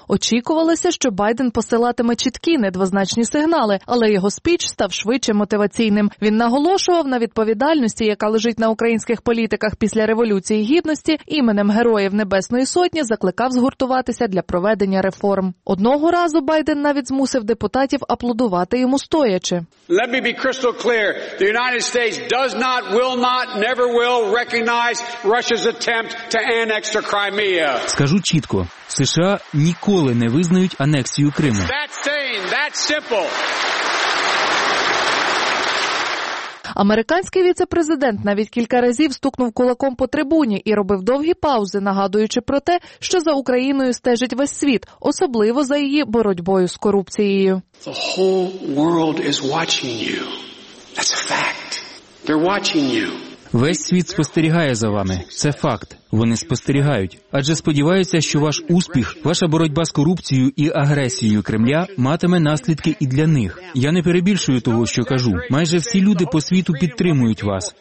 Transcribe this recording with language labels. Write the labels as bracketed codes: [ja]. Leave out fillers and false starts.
[uk] Очікувалося, що Байден посилатиме чіткі недвозначні сигнали, але його спіч став швидше мотиваційним. Він наголошував на відповідальності, яка лежить на українських політиках після Революції Гідності, іменем Героїв Небесної Сотні закликав згуртуватися для проведення реформ. Одного разу Байден навіть змусив депутатів аплодувати йому стоячи. [en] Let me be crystal clear. The United States does not will not, never will recognize Russia's attempt to annex the Crimea. [uk] Скажу чітко, США ніколи не визнають анексію Криму. [en] That's plain, that's simple. [uk] Американський віце-президент навіть кілька разів стукнув кулаком по трибуні і робив довгі паузи, нагадуючи про те, що за Україною стежить весь світ, особливо за її боротьбою з корупцією. [en] The whole world is watching you. That's a fact. They're watching you. [uk] Весь світ спостерігає за вами. Це факт. Вони спостерігають. Адже сподіваються, що ваш успіх, ваша боротьба з корупцією і агресією Кремля матиме наслідки і для них. Я не перебільшую того, що кажу. Майже всі люди по світу підтримують вас.